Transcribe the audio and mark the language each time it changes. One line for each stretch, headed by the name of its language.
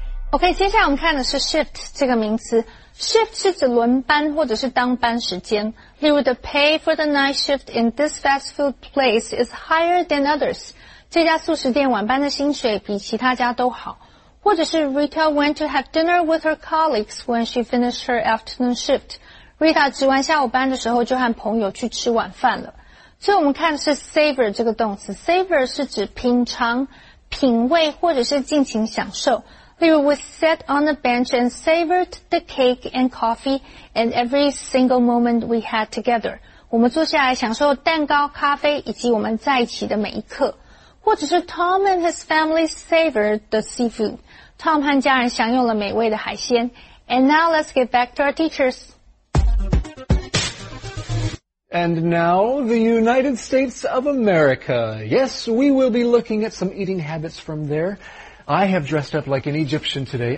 Chinese: OK， 接下来我们看的是 shift 这个名词。Shift 是指轮班或者是当班时间。
English: 例如 ,the pay for the night shift in this fast food place is higher than others.
Chinese: 这家素食店晚班的薪水比其他家都好。
English: 或者是 Rita went to have dinner with her colleagues when she finished her afternoon shift.
Chinese: Rita 值完下午班的时候就和朋友去吃晚饭了。所以我们看的是 savor 这个动词。savor 是指品尝、品味或者是尽情享受。
English: 例如 ,we sat on a bench and savored the cake and coffee and every single moment we had together.
Chinese: 我们坐下来享受蛋糕、咖啡以及我们在一起的每一刻。
English: 或者是 Tom and his family savored the seafood.
Chinese: Tom 和家人享用了美味的海鲜。
English: And now let's get back to our teachers. And now the United States of America. Yes, we will be looking at some eating habits from there. I have dressed up like an Egyptian today.